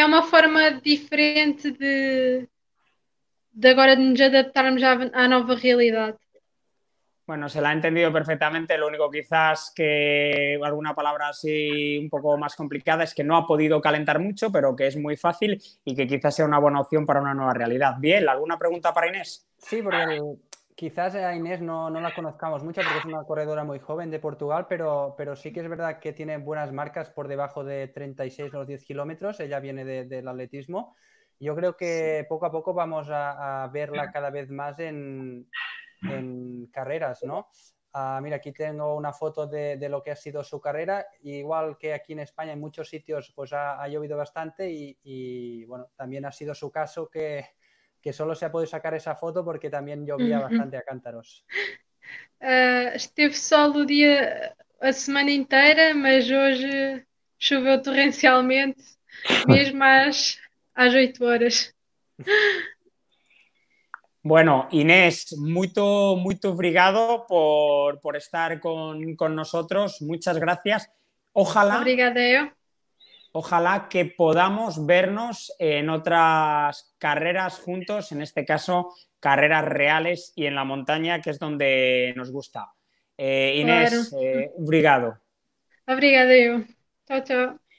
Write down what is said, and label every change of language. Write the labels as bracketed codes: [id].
[pt] é uma forma diferente de agora de nos adaptarmos à nova realidade. [es] Bueno, se la ha entendido perfectamente. Lo único quizás que alguna palabra así un poco más complicada es que no ha podido calentar mucho, pero que es muy fácil y que quizás sea una buena opción para una nueva realidad. Bien, ¿alguna pregunta para Inés? Sí, porque quizás a Inés no la conozcamos mucho porque es una corredora muy joven de Portugal, pero sí que es verdad que tiene buenas marcas por debajo de 36 o 10 kilómetros. Ella viene del atletismo. Yo creo que poco a poco vamos a verla cada vez más en carreras, ¿no? Mira, aquí tengo una foto de lo que ha sido su carrera. Igual que aquí en España, en muchos sitios, pues ha llovido bastante y bueno, también ha sido su caso que solo se ha podido sacar esa foto porque también llovía bastante a cántaros. [pt] Esteve sol o dia a semana inteira, mas hoje choveu torrencialmente, mesmo às 8 horas. [es] Bueno, Inés, [pt] muito, muito obrigado [es] por estar con nosotros. Muchas gracias. Ojalá. [pt] Obrigada, eu. [es] Ojalá que podamos vernos en otras carreras juntos, en este caso carreras reales y en la montaña, que es donde nos gusta. Claro. [pt] Inés, obrigado. Obrigada, eu. Tchau, tchau.